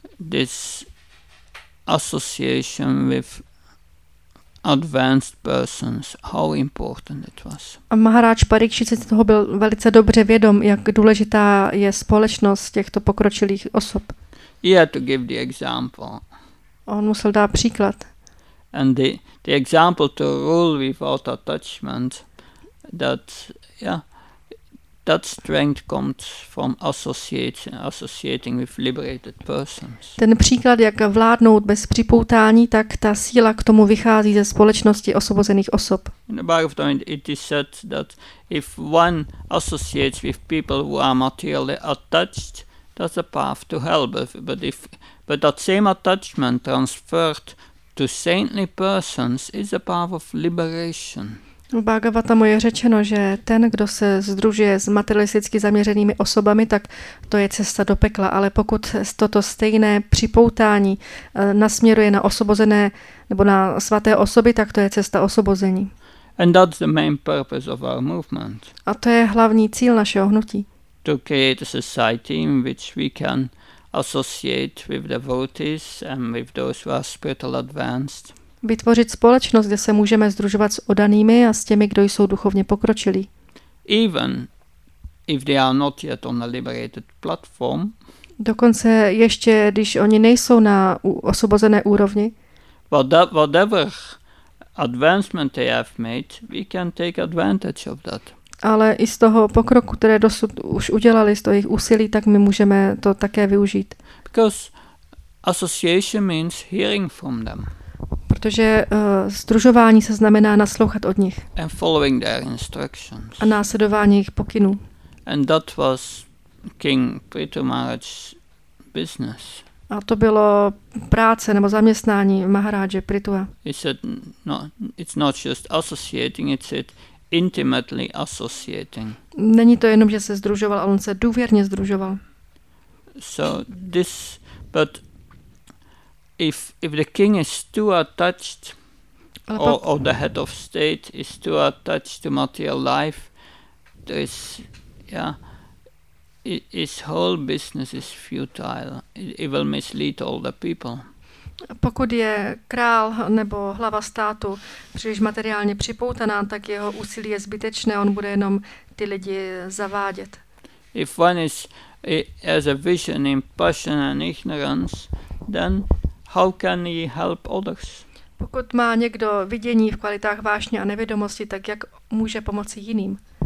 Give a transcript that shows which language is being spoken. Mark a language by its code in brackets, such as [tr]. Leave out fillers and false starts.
[en] This association with advanced persons, how important it was. [cs] A Maharaj Parikshit se toho byl velice dobře vědom, jak důležitá je společnost těchto pokročilých osob. [en] He had to give the example. [cs] On musel dát příklad. [en] And the example to rule without attachment, that strength comes from associating with liberated persons. [cs] Ten příklad, jak vládnout bez připoutání, tak ta síla k tomu vychází ze společnosti osvobozených osob. [en] In the Bhagavatam, it is said that if one associates with people who are materially attached, that's a path to hell. But that same attachment transferred to saintly persons is a path of liberation. [cs] V Bhagavatamu je řečeno, že ten, kdo se združuje s materialisticky zaměřenými osobami, tak to je cesta do pekla. Ale pokud toto stejné připoutání nasměruje na osobozené nebo na svaté osoby, tak to je cesta osobození. [en] And that's the main purpose of our movement. [cs] A to je hlavní cíl našeho hnutí. [en] To create a society in which we can associate with devotees and with those who are spiritual advanced. [cs] Vytvořit společnost, kde se můžeme združovat s odanými a s těmi, kdo jsou duchovně pokročilí. [en] Even if they are not yet on a liberated platform. [cs] Dokonce ještě, když oni nejsou na osvobozené úrovni. [en] Whatever advancement they have made, we can take advantage of that. [cs] Ale i z toho pokroku, které dosud už udělali, z toho jejich úsilí, tak my můžeme to také využít. [en] Because association means hearing from them. [cs] Protože združování se znamená naslouchat od nich. [en] And following their instructions. [cs] A následování jejich pokynů. [en] And that was King Prithu Maharaj's business. [cs] A to bylo práce nebo zaměstnání Maharaje Prithua. [en] He said, no, it's not just associating, it's it intimately associating. [cs] Není to jenom, že se združoval, ale on se důvěrně združoval. [en] So this, but if the king is too attached, or the head of state is too attached to material life, there is, his whole business is futile. He will mislead all the people. [cs] Pokud je král nebo hlava státu příliš materiálně připoutaná, tak jeho úsilí je zbytečné, on bude jenom ty lidi zavádět. [en] If one is has a vision in passion and ignorance, then how can he help others? [cs] Pokud má někdo vidění v kvalitách vášně a nevědomosti, tak jak může pomoci jiným?